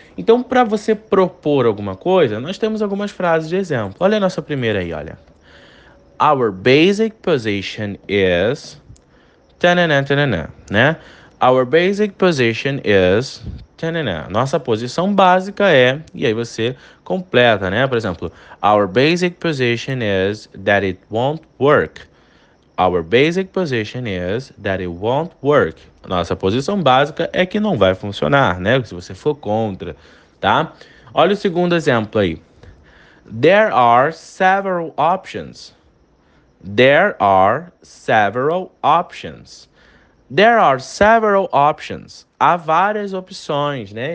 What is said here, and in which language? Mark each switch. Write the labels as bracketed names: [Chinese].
[Portuguese] Então, para você propor alguma coisa, nós temos algumas frases de exemplo. Olha a nossa primeira aí, olha. [English] Our basic position is. Tananana, tananana, né? Our basic position is. [Portuguese] Nossa posição básica é, e aí você completa, né? Por exemplo, [English] our basic position is that it won't work. Our basic position is that it won't work. [Portuguese] Nossa posição básica é que não vai funcionar, né? Se você for contra, tá? Olha o segundo exemplo aí. [English] There are several options. There are several options. There are several options. [Portuguese] Há várias opções, né?